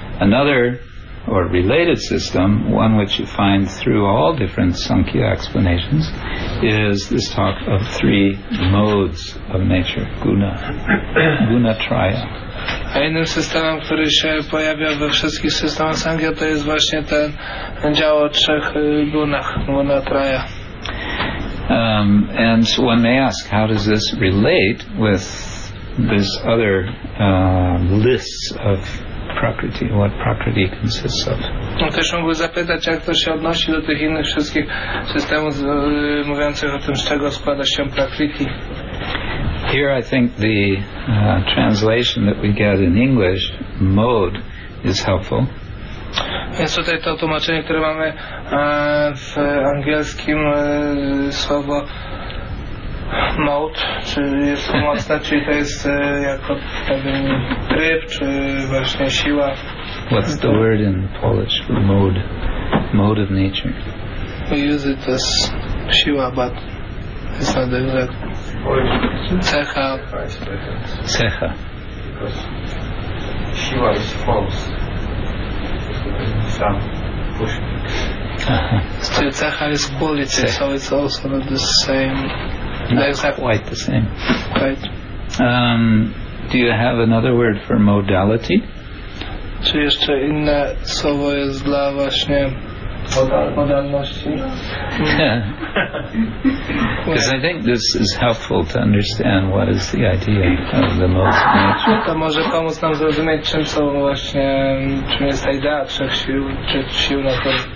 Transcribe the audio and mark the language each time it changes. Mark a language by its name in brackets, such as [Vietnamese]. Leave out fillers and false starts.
[English] Another or related system, one which you find through all different Sankhya explanations, is this talk of three modes of nature, guna, guna traya. [Polish] A innym systemem, który się pojawia we wszystkich systemach Sankhya, to jest właśnie ten dział o trzech gunach, guna traya. [English] And so one may ask, how does this relate with this other lists of Prakriti, what Prakriti consists of. [Polish] No też mógłby zapytać, jak to się odnosi do tych innych wszystkich systemów mówiących o tym, z czego składa się Prakriti. [English] Here I think the translation that we get in English, mode, is helpful. [Polish] Więc tutaj to tłumaczenie, które mamy w angielskim, słowo mode, czy jest pomocne, czy to jest jako tryb, czy właśnie siła. [English] What's the word in Polish for mode? Mode of nature. We use it as siła, but it's not exact. [Polish] Cecha. Cecha. [English] Because siła is false. Some push. Cecha is quality, cecha. So it's also not the same. Not quite the same. Right. Do you have another word for modality? [Polish] Czy jeszcze inne słowo jest dla właśnie modalności? [English] Because I think this is helpful to understand what is the idea of the modes of nature. [Polish] To może pomóc nam zrozumieć, czym są właśnie, czym jest ta idea trzech sił, czy sił na to.